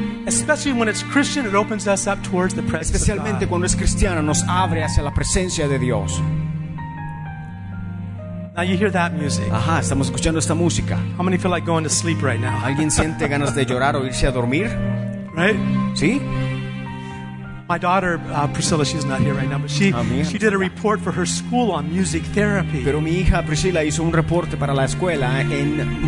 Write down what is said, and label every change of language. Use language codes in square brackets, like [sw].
[en] Especially when it's Christian, it opens us up towards the presence of God. [es] Especialmente cuando es cristiana, nos abre hacia la presencia de Dios. [en] Now you hear that music. [es] Ajá, estamos escuchando esta música. [en] How many feel like going to sleep right now? [es] ¿Alguien siente ganas de llorar o irse a dormir? [en] Right? [es] Sí. [en] My daughter Priscilla, she's not here right now, but she did a report for her school on music therapy. [es] Pero mi hija Priscilla hizo un reporte para la escuela en